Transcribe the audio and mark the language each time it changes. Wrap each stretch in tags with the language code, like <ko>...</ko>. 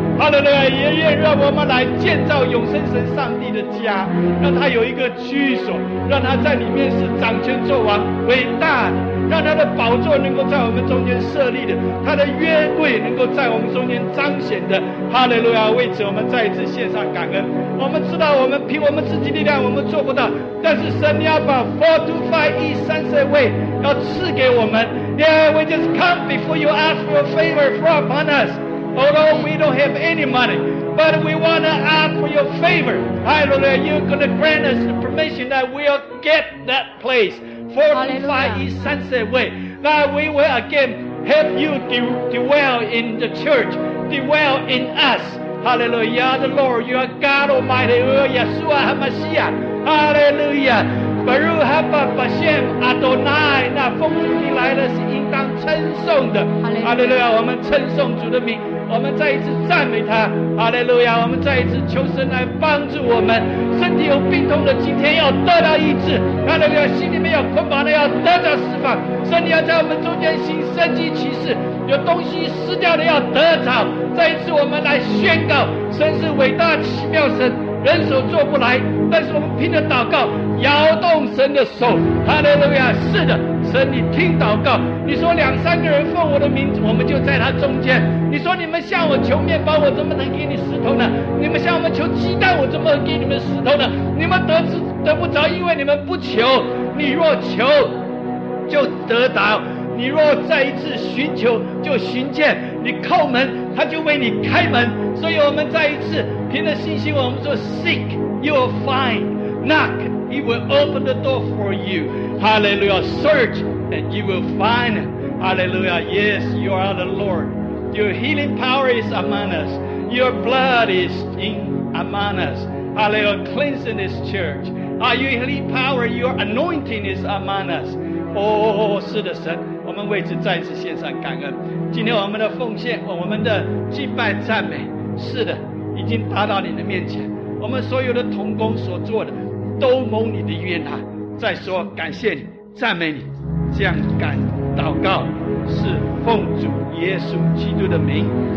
<zh>哈利路亚，也愿让我们来建造永生神上帝的家，让他有一个居所，让他在里面是掌权作王，伟大的，让他的宝座能够在我们中间设立的，他的约柜能够在我们中间彰显的。哈利路亚，为此我们再一次献上感恩。我们知道我们凭我们自己力量我们做不到，但是神你要把 4-2-5-1-3-3-way 要赐给我们。</zh> <en>Yeah, we just come before you ask for a favor from upon us, although we don't have any money, but we want to ask for your favor. Hallelujah, you're going to grant us the permission that we'll get that place, 4-2-5-1-3-3-way, that we will again have you dwell in the church, dwell in us. Hallelujah, you are the Lord, you are God Almighty, you are Yeshua HaMashiach.</en> <he>Hallelujah, Baruch Haba Bashem Adonai.</he> <zh>那奉主名来的是应当称颂的。Hallelujah, 我们称颂主的名，我们再一次赞美他。 Hallelujah, 我们再一次求神来帮助我们。身体有病痛的，今天要得到医治。 Hallelujah, 心里面有捆绑的，要得到释放。神要在我们中间行神迹奇事。有东西失掉的，要得着。再一次，我们来宣告，神是伟大奇妙神。人手做不来，但是我们凭着祷告摇动神的手。哈利路亚，是的，神你听祷告，你说两三个人奉我的名，我们就在他中间。你说你们向我求面包，我怎么能给你石头呢？你们向我们求鸡蛋，我怎么能给你们石头呢？你们得不着，因为你们不求。你若求就得着，你若再一次寻求就寻见，你叩门他就为你开门。所以我们再一次凭着信心，我们说</zh> <en>Seek, you will find. Knock, he will open the door for you. Hallelujah. Search, and you will find. Hallelujah. Yes, you are the Lord. Your healing power is among us. Your blood is in among us. Hallelujah. Cleansing this church. Your healing power, your anointing is among us.</en> <zh>Oh, 是的，神，我们为此再次献上感恩。今天我们的奉献，我们的敬拜赞美，是的，已经达到你的面前，我们所有的同工所做的都蒙你的悦纳。再说感谢你，赞美你，这样感祷告是奉主耶稣基督的名。</zh>